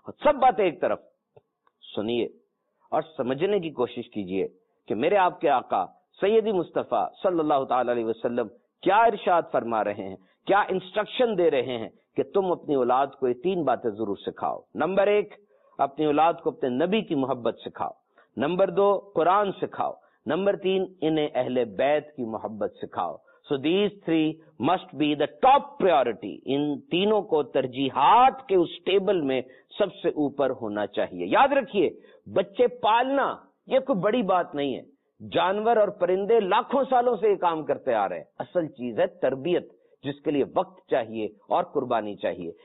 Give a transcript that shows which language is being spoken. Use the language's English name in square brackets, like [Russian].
[Urdu] سب باتیں ایک طرف, سنیے اور سمجھنے کی کوشش کیجئے کہ میرے آپ کے آقا سیدی مصطفیٰ صلی اللہ تعالی علیہ وسلم کیا ارشاد فرما رہے ہیں, کیا انسٹرکشن دے رہے ہیں کہ تم اپنی اولاد کو یہ تین باتیں ضرور سکھاؤ. نمبر ایک, اپنی اولاد کو اپنے نبی کی محبت سکھاؤ. نمبر دو, قرآن سکھاؤ. نمبر تین, انہیں اہل بیت کی محبت سکھاؤ. [English] So these three must be the top priority. [Urdu] ان تینوں کو ترجیحات کے اس ٹیبل میں سب سے اوپر ہونا چاہیے. یاد رکھیے بچے پالنا یہ کوئی بڑی بات نہیں ہے, جانور اور پرندے لاکھوں سالوں سے یہ کام کرتے آ رہے ہیں. اصل چیز ہے تربیت, جس کے لیے وقت چاہیے اور قربانی چاہیے.